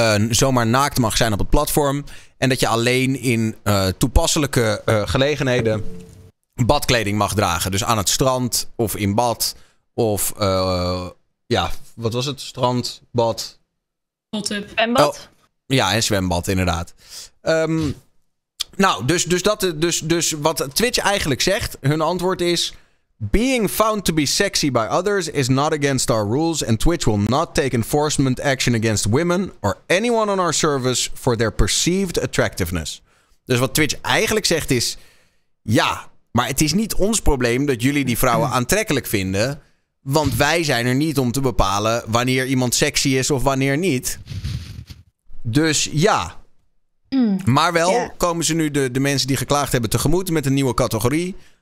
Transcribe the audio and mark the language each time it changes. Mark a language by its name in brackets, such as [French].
[Dutch] zomaar naakt mag zijn op het platform. En dat je alleen in toepasselijke gelegenheden badkleding mag dragen. Dus aan het strand of in bad. Of ja, wat was het? Strand, bad. Hot tub. Zwembad. Oh, ja, en zwembad inderdaad. Nou, dus wat Twitch eigenlijk zegt. Hun antwoord is... [English] Being found to be sexy by others is not against our rules and Twitch will not take enforcement action against women or anyone on our service for their perceived attractiveness. [Dutch] Dus wat Twitch eigenlijk zegt is, ja, maar het is niet ons probleem dat jullie die vrouwen aantrekkelijk vinden, want wij zijn er niet om te bepalen wanneer iemand sexy is of wanneer niet. Dus ja, maar wel komen ze nu de mensen die geklaagd hebben tegemoet met een nieuwe categorie...